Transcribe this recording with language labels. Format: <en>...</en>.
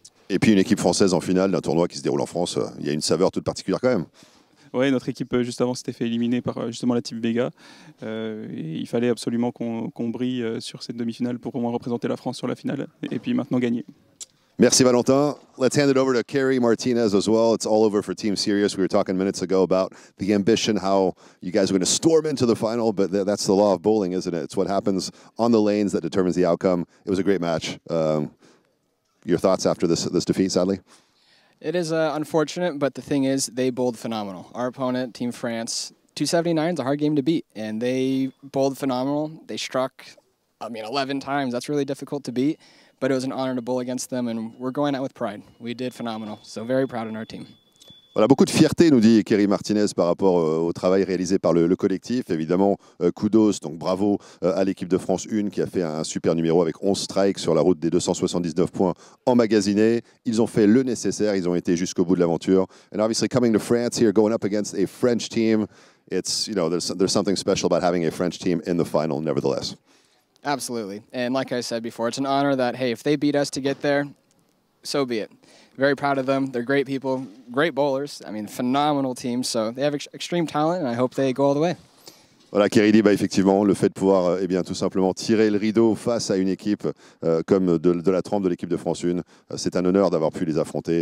<fr>Et puis une équipe française en finale d'un tournoi qui se déroule en France, il y a une saveur toute particulière quand même. Oui, notre équipe juste avant s'était fait éliminer par justement la Team Vega. Et il fallait absolument qu'on brille sur cette demi-finale pour au moins représenter la France sur la finale et puis maintenant gagner. Merci Valentin.</fr> <en>Let's hand it over to Carrie Martinez as well. It's all over for Team Sirius. We were talking minutes ago about the ambition, how you guys are going to storm into the final, but that's the law of bowling, isn't it? It's what happens on the lanes that determines the outcome. It was a great match. Your thoughts after this defeat, sadly? It is unfortunate, but the thing is, they bowled phenomenal. Our opponent, Team France, 279 is a hard game to beat, and they bowled phenomenal. They struck, 11 times. That's really difficult to beat. But it was an honor to bowl against them, and we're going out with pride. We did phenomenal, so very proud in our team.</en> <fr>Voilà, beaucoup de fierté, nous dit Kerry Martinez, par rapport au travail réalisé par le collectif. Évidemment, kudos, donc bravo à l'équipe de France 1 qui a fait un super numéro avec 11 strikes sur la route des 279 points emmagasinés. Ils ont fait le nécessaire, ils ont été jusqu'au bout de l'aventure.</fr> <en>And obviously, coming to France here, going up against a French team, it's, there's something special about having a French team in the final, nevertheless. Absolutely. And like I said before, it's an honor that, hey, if they beat us to get there, so be it. Very proud of them. They're great people, great bowlers. Phenomenal team. So they have extreme talent and I hope they go all the way.</en> <fr>Voilà, Kerry dit, effectivement, le fait de pouvoir tout simplement tirer le rideau face à une équipe comme de la trempe de l'équipe de France 1, c'est un honneur d'avoir pu les affronter.</fr>